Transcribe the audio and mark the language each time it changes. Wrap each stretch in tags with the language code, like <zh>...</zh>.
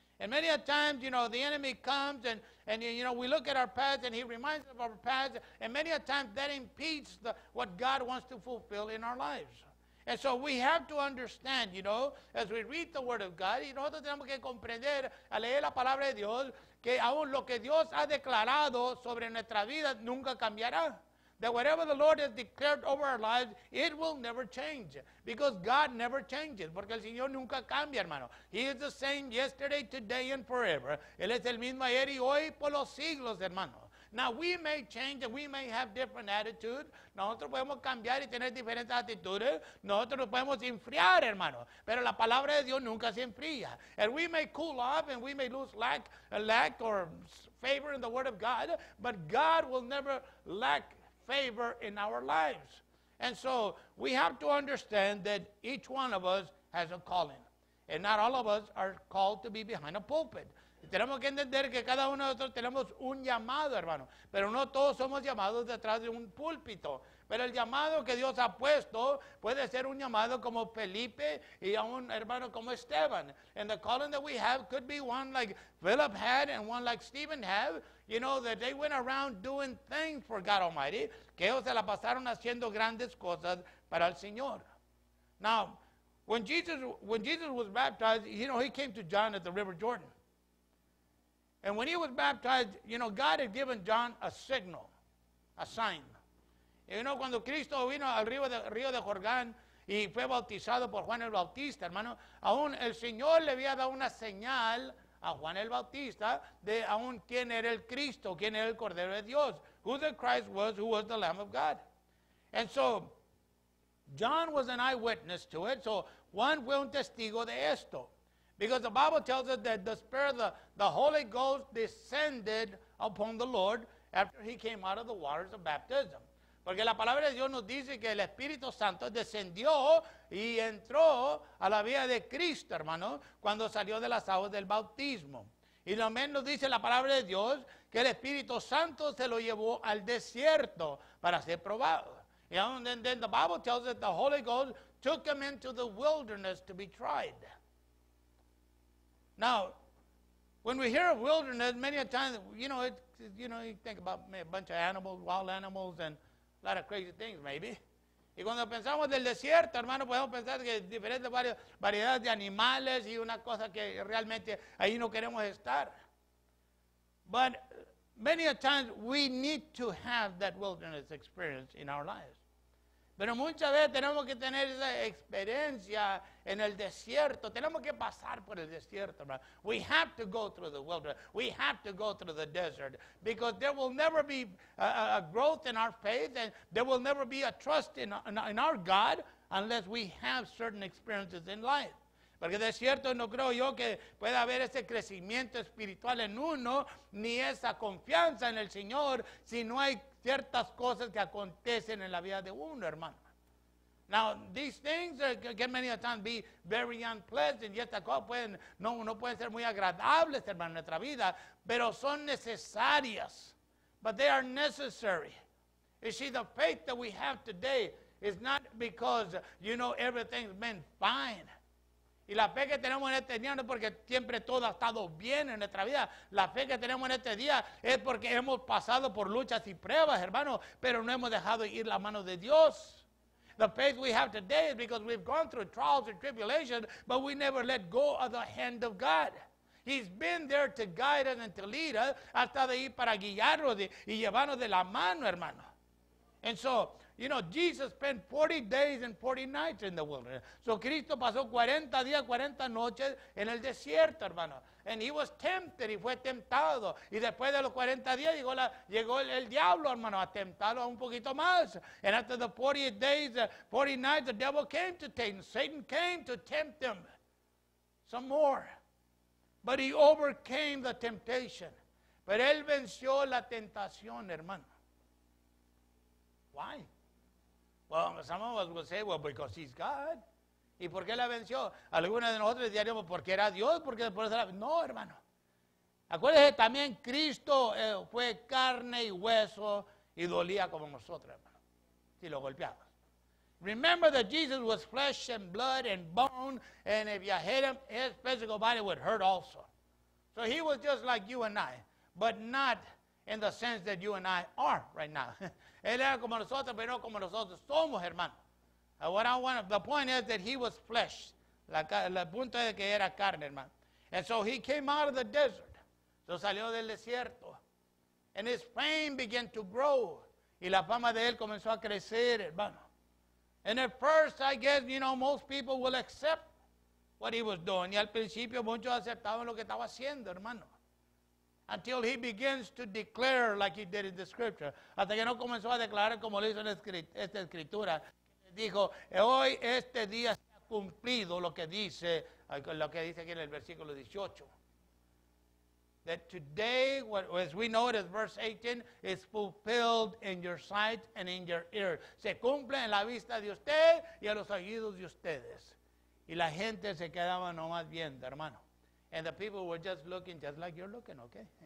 <en>And many a times, you know, the enemy comes and you know, we look at our past and he reminds us of our past. And many a times that impedes what God wants to fulfill in our lives. And so we have to understand, you know, as we read the Word of God,</en> <es>y nosotros tenemos que comprender al leer la Palabra de Dios que aún lo que Dios ha declarado sobre nuestra vida nunca cambiará.</es> <en>That whatever the Lord has declared over our lives, it will never change. Because God never changes.</en> <es>Porque el Señor nunca cambia, hermano.</es> <en>He is the same yesterday, today, and forever.</en> <es>Él es el mismo ayer y hoy por los siglos, hermano.</es> <en>Now, we may change and we may have different attitudes.</en> <es>Nosotros podemos cambiar y tener diferentes actitudes. Nosotros nos podemos enfriar, hermano. Pero la palabra de Dios nunca se enfría.</es> <en>And we may cool off and we may lose lack or favor in the word of God. But God will never lack favor in our lives. And so we have to understand that each one of us has a calling. And not all of us are called to be behind a pulpit.</en> <es>Tenemos que entender que cada uno de nosotros tenemos un llamado, hermano. Pero no todos somos llamados detrás de un púlpito. Pero el llamado que Dios ha puesto puede ser un llamado como Felipe y a un hermano como Esteban.</es> <en>And the calling that we have could be one like Philip had and one like Stephen have. You know, that they went around doing things for God Almighty.</en> <es>Que ellos se la pasaron haciendo grandes cosas para el Señor.</es> <en>Now, when Jesus was baptized, you know, he came to John at the River Jordan. And when he was baptized, you know, God had given John a signal, a sign.</en> <es>You know, cuando Cristo vino al río de Jordán y fue bautizado por Juan el Bautista, hermano, aún el Señor le había dado una señal a Juan el Bautista de aún quién era el Cristo, quién era el Cordero de Dios,</es> <en>who the Christ was, who was the Lamb of God. And so, John was an eyewitness to it, so</en> <es>Juan fue un testigo de esto.</es> <en>Because the Bible tells us that the Spirit of the Holy Ghost descended upon the Lord after he came out of the waters of baptism.</en> <es>Porque la palabra de Dios nos dice que el Espíritu Santo descendió y entró a la vida de Cristo, hermano, cuando salió de las aguas del bautismo. Y también nos dice la palabra de Dios que el Espíritu Santo se lo llevó al desierto para ser probado.</es> <en>And then the Bible tells that the Holy Ghost took him into the wilderness to be tried. Now, when we hear of wilderness, many a time, you think about maybe a bunch of animals, wild animals, and a lot of crazy things, maybe.</en> <es>Y cuando pensamos del desierto, hermano, podemos pensar que diferentes variedades de animales y una cosa que realmente ahí no queremos estar.</es> <en>But many a times we need to have that wilderness experience in our lives.</en> <es>Pero muchas veces tenemos que tener esa experiencia en el desierto. Tenemos que pasar por el desierto, hermano.</es> <en>We have to go through the wilderness. We have to go through the desert. Because there will never be a growth in our faith, and there will never be a trust in our God unless we have certain experiences in life.</en> <es>Porque de cierto no creo yo que pueda haber ese crecimiento espiritual en uno, ni esa confianza en el Señor, si no hay ciertas cosas que acontecen en la vida de uno, hermano.</es> <en>Now, these things can many a time be very unpleasant,</en> <es>y estas cosas no pueden ser muy agradables, hermano, en nuestra vida, pero son necesarias.</es> <en>But they are necessary. You see, the faith that we have today is not because, everything's been fine.</en> <es>Y la fe que tenemos en este día no es porque siempre todo ha estado bien en nuestra vida. La fe que tenemos en este día es porque hemos pasado por luchas y pruebas, hermano, pero no hemos dejado ir la mano de Dios.</es> <en>The faith we have today is because we've gone through trials and tribulations, but we never let go of the hand of God. He's been there to guide us and to lead us,</en> <es>hasta de ir para guiarnos y llevarnos de la mano, hermano.</es> <en>And so, Jesus spent 40 days and 40 nights in the wilderness.</en> <es>So Cristo pasó 40 días, 40 noches en el desierto, hermano.</es> <en>And he was tempted,</en> <es>y fue tentado. Y después de los 40 días llegó el diablo, hermano, a tentarlo un poquito más.</es> <en>And after the 40 days, 40 nights, the devil came to tempt him. Satan came to tempt him some more. But he overcame the temptation.</en> <es>Pero él venció la tentación, hermano.</es> <en>Why? Well, some of us would say, well, because he's God.</en> <es>¿Y por qué la venció? Algunos de nosotros diríamos, porque era Dios, porque después la... No, hermano. Acuérdese, también Cristo fue carne y hueso y dolía como nosotros, hermano. Si lo golpeamos.</es> <en>Remember that Jesus was flesh and blood and bone, and if you hit him, his physical body would hurt also. So he was just like you and I, but not in the sense that you and I are right now.</en> <es>Él era como nosotros, pero no como nosotros somos, hermano.</es> <en>The point is that he was flesh.</en> <es>El punto es que era carne, hermano.</es> <en>And so he came out of the desert.</en> <es>So salió del desierto.</es> <en>And his fame began to grow.</en> <es>Y la fama de él comenzó a crecer, hermano.</es> <en>And at first, I guess, most people will accept what he was doing.</en> <es>Y al principio, muchos aceptaban lo que estaba haciendo, hermano.</es> <en>Until he begins to declare like he did in the scripture.</en> <es>Hasta que no comenzó a declarar como lo hizo en esta escritura. Dijo, hoy este día se ha cumplido lo que dice aquí en el versículo 18. That today, as we notice, verse 18, is fulfilled in your sight and in your ear. Se cumple en la vista de usted y en los oídos de ustedes. Y la gente se quedaba nomás viendo, hermano.</es> <en>And the people were just looking, just like you're looking, okay?</en>